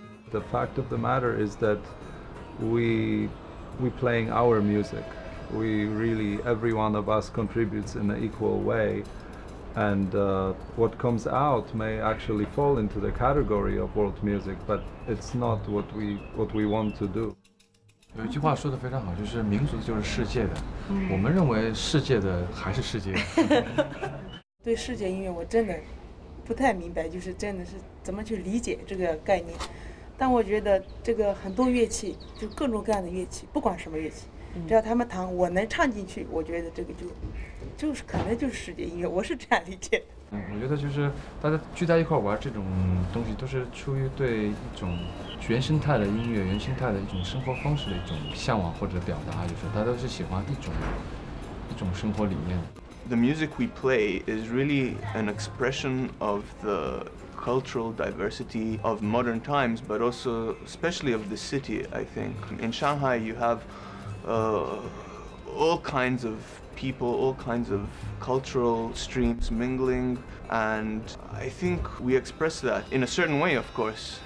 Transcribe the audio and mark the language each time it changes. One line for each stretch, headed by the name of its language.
English: The fact of the matter is that we playing our music. We really, every one of us contributes in an equal way. And what comes out may actually fall into the category of world music, but it's not what we want to do.
Chinese: 有一句话说得非常好，就是民族就是世界的。我们认为世界的还是世界。对世界音乐，我真的不太明白，就是真的是怎么去理解这个概念。但我觉得这个很多乐器，就各种各样的乐器，不管什么乐器，只要他们弹，我能唱进去，我觉得这个就是可能就是世界音乐，我是这样理解的。我觉得就是大家聚在一块玩这种东西，都是出于对一种原生态的音乐、原生态的一种生活方式的一种向往或者表达，就是大家都是喜欢一种生活理念。
English: The music we play is really an expression of the cultural diversity of modern times, but also especially of the city, I think. In Shanghai, you have all kinds of people, all kinds of cultural streams mingling, and I think we express that in a certain way, of course.